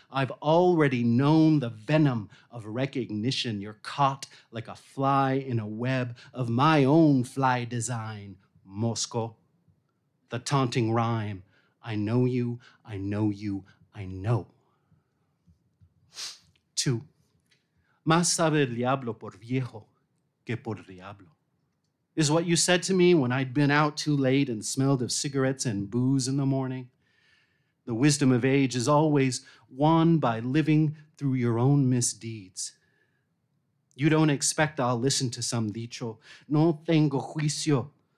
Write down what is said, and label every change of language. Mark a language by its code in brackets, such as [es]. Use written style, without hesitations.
[en] I've already known the venom of recognition. You're caught like a fly in a web of my own fly design, Mosco. The taunting rhyme, I know you, I know you, I know. [es] Two, más sabe el diablo por viejo que por diablo. [en] Is what you said to me when I'd been out too late and smelled of cigarettes and booze in the morning. The wisdom of age is always won by living through your own misdeeds. You don't expect I'll listen to some dicho. [es] No tengo juicio.